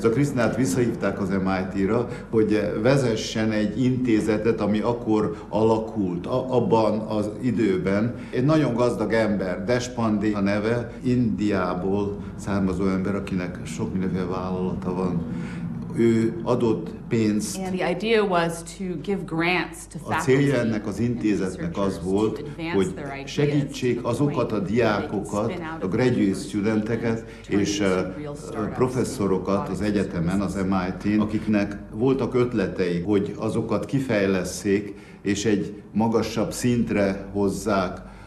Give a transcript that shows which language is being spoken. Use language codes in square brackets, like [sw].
[hu] So Krisznát visszahívták az MIT-ra, hogy vezessen egy intézetet, ami akkor alakult, abban az időben. Egy nagyon gazdag ember, Deshpande a neve, Indiából származó ember, akinek sok mindenféle vállalata van. Ő adott pénzt. [en] And the idea was to give grants to faculty. [hu] A célja ennek az intézetnek az volt, hogy segítsék azokat a diákokat, a graduate studenteket és professzorokat az egyetemen, az MIT-n, akiknek voltak ötletei, hogy azokat kifejlesszék és egy magasabb szintre hozzák.